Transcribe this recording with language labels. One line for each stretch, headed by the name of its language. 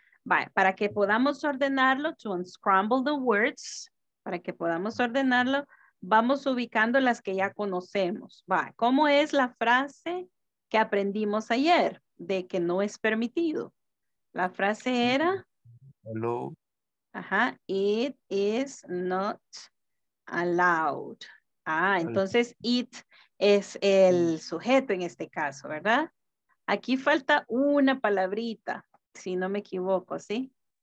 Spanish: Para que podamos ordenarlo,
English: to unscramble the words,
Spanish: para que podamos ordenarlo, vamos ubicando las que ya conocemos. ¿Cómo es la frase que aprendimos ayer de que no es permitido? La frase era...
English: Hello. Ajá, it is not allowed. Ah,
Spanish: entonces
English: it
Spanish: es el sujeto en este caso, ¿verdad? Aquí falta una palabrita, si no me equivoco, ¿sí?